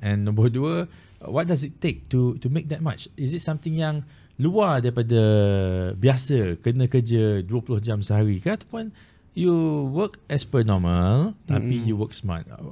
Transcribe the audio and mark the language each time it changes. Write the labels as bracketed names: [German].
[English] And [Malay] nombor dua, [English] what does it take to make that much? Is it something [Malay] yang luar daripada biasa, kena kerja 20 jam sehari ke? Ataupun [English] you work as per normal, [Malay] tapi [English] you work smart.